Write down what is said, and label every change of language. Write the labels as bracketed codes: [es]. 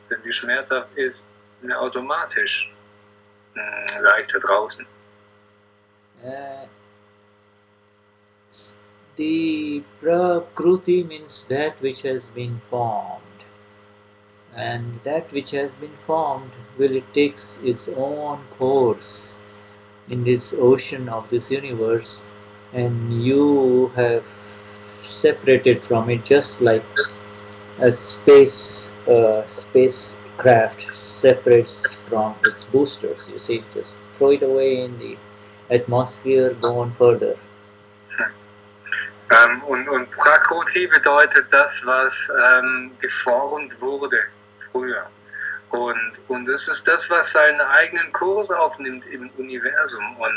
[de] Wenn sie schmerzhaft ist, sind wir automatisch leichter draußen. [en] The prakruti means that which has been formed. And that which has been formed, will it take its own course in this ocean of this universe, and you have separated from it just like a spacecraft separates from its boosters. You see, just throw it away in the atmosphere, go on further. [de] Und Prakruti bedeutet das, was geformt wurde früher. Und es ist das, was seinen eigenen Kurs aufnimmt im Universum.